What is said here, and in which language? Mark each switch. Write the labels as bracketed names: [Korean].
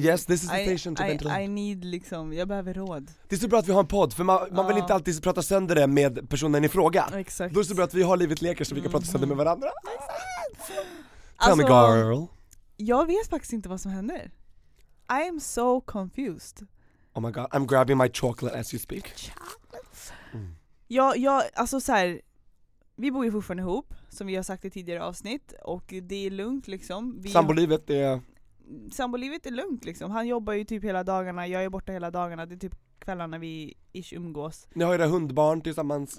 [English] Yes, this is the station to ventilate. I need [Swedish] liksom, jag behöver råd. Det är så bra att vi har en podd, för man vill inte alltid prata sönder det med personen i fråga. Exakt. Då är det så bra att vi har Livet leker, så vi kan prata sönder med varandra. Exakt. [English] Tell me, girl. [Swedish] Jag vet faktiskt inte vad som händer. [English] I am so confused. Oh my god, I'm grabbing my chocolate as you speak. [Swedish] Jag alltså så här, vi bor ju fortfarande ihop, som vi har sagt i tidigare avsnitt. Och det är lugnt liksom. Sambolivet är lugnt liksom. Han jobbar ju typ hela dagarna. Jag är borta hela dagarna. Det är typ kvällarna vi ish umgås. Ni har ju era hundbarn tillsammans.